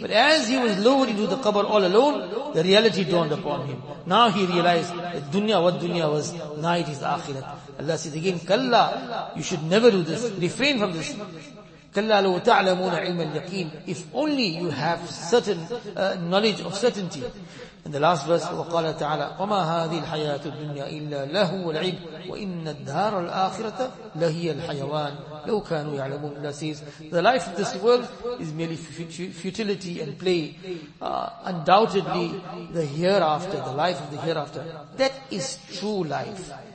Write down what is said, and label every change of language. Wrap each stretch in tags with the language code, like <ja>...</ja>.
<en>But as he was lowered into the qabr all alone, the reality dawned upon him. Now he realized that dunya, what dunya was, now it is akhirat. Allah says again, kalla, you should never do this. Refrain from this.</en> <ar>Kalla law ta'lamuna ilma al-yaqeen.</ar> <en>If only you have certain knowledge of certainty. In the last verse,</en> <ar>وَقَالَ تَعَالَى وَمَا هَذِي الْحَيَاةُ الدُّنْيَا إِلَّا لَهُ وَالْعِبْ وَإِنَّ الدَّارَ الْآخِرَةَ لَهِيَ الْحَيَوَانِ لَوْ كَانُوا يَعْلَمُونَ.</ar> <en>Allah says, the life of this world is merely futility and play. Undoubtedly, the hereafter, the life of the hereafter, that is true life.</en>